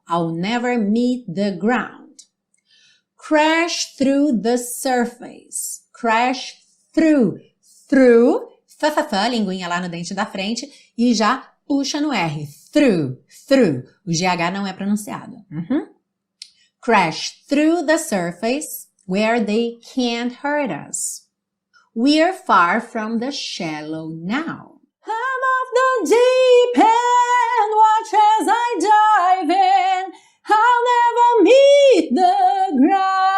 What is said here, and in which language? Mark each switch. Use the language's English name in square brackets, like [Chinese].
[English] I'll never meet the ground. Crash through the surface. Crash through. [Portuguese] Through, fa-fa-fa, linguinha lá no dente da frente, e já puxa no R. Through, through. O GH não é pronunciado. Uhum. [English] Crash through the surface where they can't hurt us. We're far from the shallow now. I'm off the deep end, watch as I dive in, I'll never meet the ground.